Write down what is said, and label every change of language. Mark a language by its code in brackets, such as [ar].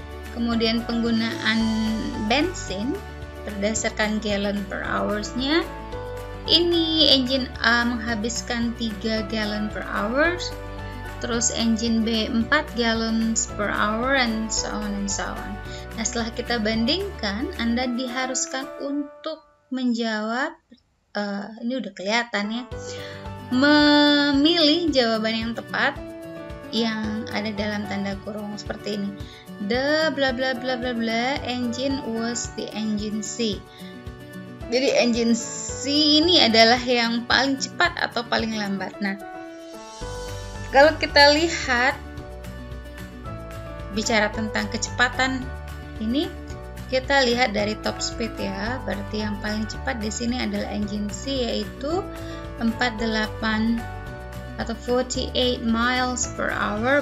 [id] Kemudian penggunaan bensin berdasarkan gallon per hours-nya, ini engine A menghabiskan 3 gallon per hours, terus engine B 4 gallons per hour, [en] and so on and so on. [id] Nah, setelah kita bandingkan, Anda diharuskan untuk menjawab, ini udah kelihatan ya, memilih jawaban yang tepat yang ada dalam tanda kurung seperti ini. [en] The bla bla bla bla bla engine was the engine C. [id] Jadi engine C ini adalah yang paling cepat atau paling lambat. Nah, kalau kita lihat bicara tentang kecepatan ini, kita lihat dari top speed ya. Berarti yang paling cepat di sini adalah engine C, yaitu 48 atau 48 miles per hour.